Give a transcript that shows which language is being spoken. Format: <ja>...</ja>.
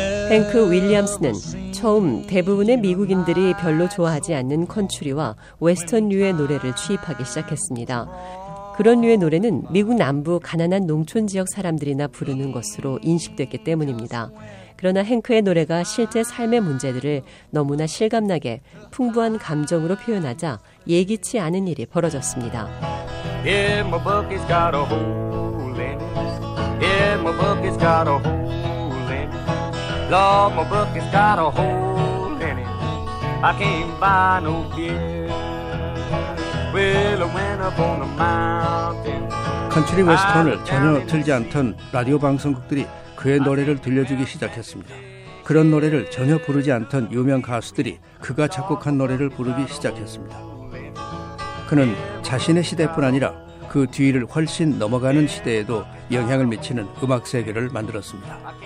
<ko>헨크 윌리엄스는 처음 대부분의 미국인들이 별로 좋아하지 않는 컨트리와 웨스턴류의 노래를 취입하기 시작했습니다. 그런 류의 노래는 미국 남부 가난한 농촌 지역 사람들이나 부르는 것으로 인식됐기 때문입니다. 그러나 헨크의 노래가 실제 삶의 문제들을 너무나 실감나게 풍부한 감정으로 표현하자 예기치 않은 일이 벌어졌습니다.</ko> <en>Yeah, my book has got a hole in it. Yeah, my book has got a hole in it. Lord, my book has got a hole in it. I can't buy no beer. Well, I went up on a mountain.</en> <ko>컨트리 웨스턴을 전혀 틀지 않던 라디오 방송국들이 그의 노래를 들려주기 시작했습니다. 그런 노래를 전혀 부르지 않던 유명 가수들이 그가 작곡한 노래를 부르기 시작했습니다. 그는 자신의 시대뿐 아니라 그 뒤를 훨씬 넘어가는 시대에도 영향을 미치는 음악 세계를 만들었습니다.</ko>